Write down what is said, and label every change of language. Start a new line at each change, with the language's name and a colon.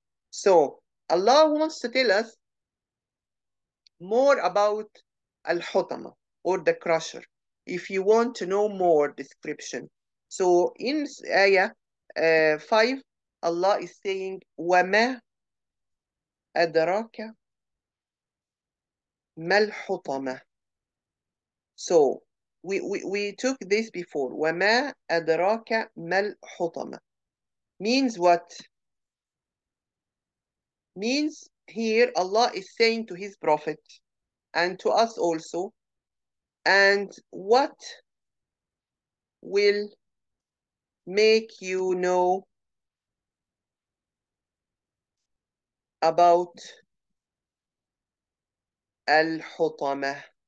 English: So Allah wants to tell us more about Al-Hutama or the crusher, if you want to know more description. So in ayah 5, Allah is saying,
Arabic: وَمَا أَدْرَاكَ مَا الْحُطَمَةَ.
English: So we took this before.
Arabic: وَمَا أَدْرَاكَ مَا الْحُطَمَةَ
English: means what? Means here Allah is saying to his prophet and to us also, and what will make you know about Al-Hutama?